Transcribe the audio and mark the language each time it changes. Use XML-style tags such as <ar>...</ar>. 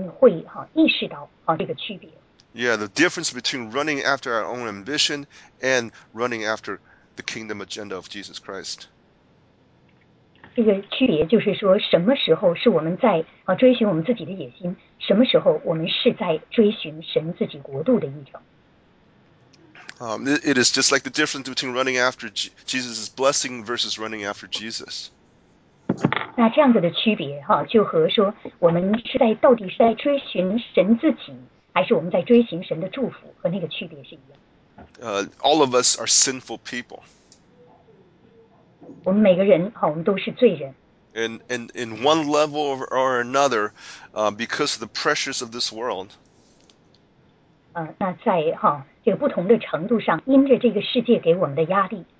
<zh>但是那些神将他的国度的权柄这样子赋予他们的这些人，他们会意识到这个区别。</zh> <en>Yeah, the difference between running after our own ambition and running after the kingdom agenda of Jesus Christ.</en> <zh>这个区别就是说，什么时候是我们在追寻我们自己的野心，什么时候我们是在追寻神自己国度的议程。</zh> <en>It is just like the difference between running after Jesus' blessing versus running after Jesus.</en> <zh>那这样子的区别，就和说我们是在到底是在追寻神自己，还是我们在追寻神的祝福，和那个区别是一样。</zh> <en>All of us are sinful people.</en> <zh>我们每个人，我们都是罪人。</zh> <en>And in one level or another, because of the pressures of this world.</en> <zh>那在这个不同的程度上，因着这个世界给我们的压力。</zh>